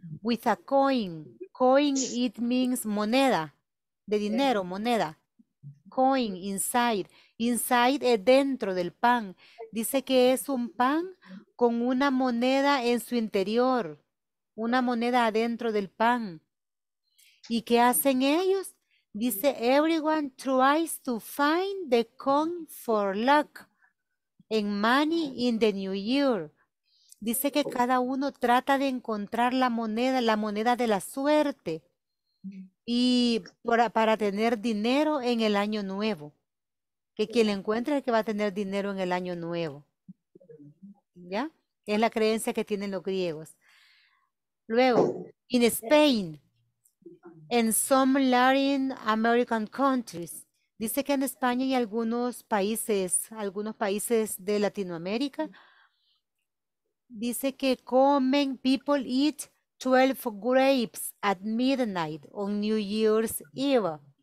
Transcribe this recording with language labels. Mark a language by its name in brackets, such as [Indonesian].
[English] With a coin. Coin, it means moneda. [Spanish] De dinero, moneda. [English] Coin, inside. Inside [Spanish] es dentro del pan. Dice que es un pan con una moneda en su interior, una moneda adentro del pan. ¿Y qué hacen ellos? Dice, [English] everyone tries to find the coin for luck and money in the new year. [Spanish] Dice que cada uno trata de encontrar la moneda de la suerte y para tener dinero en el año nuevo. Que quien la encuentre es que va a tener dinero en el año nuevo. ¿Ya? Es la creencia que tienen los griegos. Luego, [English] in Spain, in some Latin American countries, [Spanish] dice que en España y algunos países de Latinoamérica, dice que comen, [English] people eat 12 grapes at midnight on New Year's Eve.